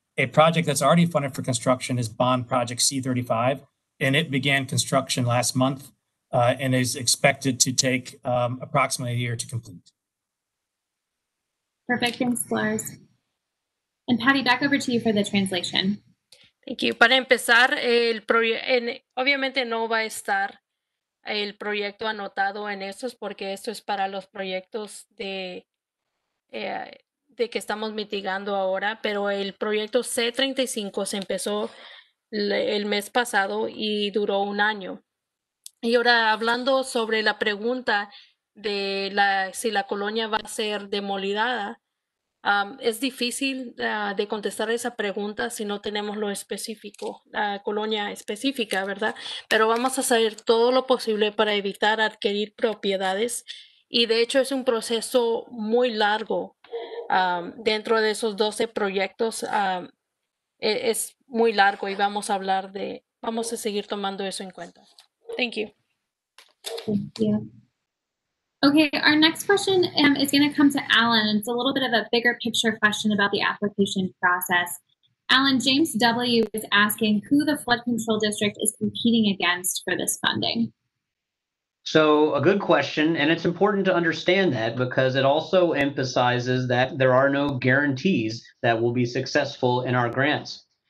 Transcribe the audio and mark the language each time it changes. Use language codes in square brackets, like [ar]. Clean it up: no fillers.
[en] A project that's already funded for construction is bond project C35, and it began construction last month and is expected to take approximately a year to complete. Perfect. Thanks, Lars. And Patty, back over to you for the translation. Thank you. [es] Para empezar, obviamente no va a estar el proyecto anotado en estos porque esto es para los proyectos de que estamos mitigando ahora, pero el proyecto C35 se empezó el mes pasado y duró un año. Y ahora hablando sobre la pregunta de si la colonia va a ser demolida, es difícil de contestar esa pregunta si no tenemos lo específico, la colonia específica, ¿verdad? Pero vamos a hacer todo lo posible para evitar adquirir propiedades y de hecho es un proceso muy largo. Dentro de esos 12 proyectos es muy largo y vamos a seguir tomando eso en cuenta. [en] Thank you. Thank you. Okay, our next question is going to come to Alan. It's a little bit of a bigger picture question about the application process. Alan, James W. is asking who the flood control district is competing against for this funding. So a good question, and it's important to understand that because it also emphasizes that there are no guarantees that we'll be successful in our grants.